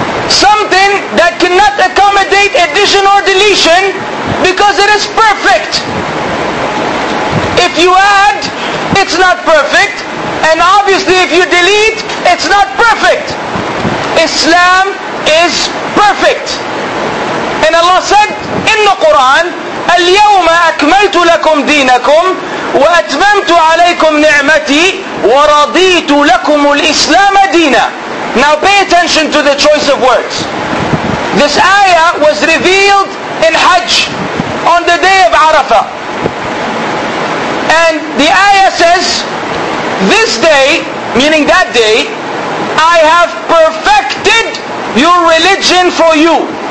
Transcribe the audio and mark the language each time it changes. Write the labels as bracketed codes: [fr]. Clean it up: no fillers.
[en] Something that cannot accommodate addition or deletion because it is perfect. If you add, it's not perfect. And obviously if you delete, it's not perfect. Islam is perfect. And Allah said in the Quran, [ar] الْيَوْمَ أَكْمَلْتُ لَكُمْ دِينَكُمْ وَأَتْمَمْتُ عَلَيْكُمْ نِعْمَتِي وَرَضِيتُ لَكُمُ الْإِسْلَامَ دِينًا. [en] Now pay attention to the choice of words. This ayah was revealed in Hajj on the day of Arafah. And the ayah says, this day, meaning that day, I have perfected your religion for you.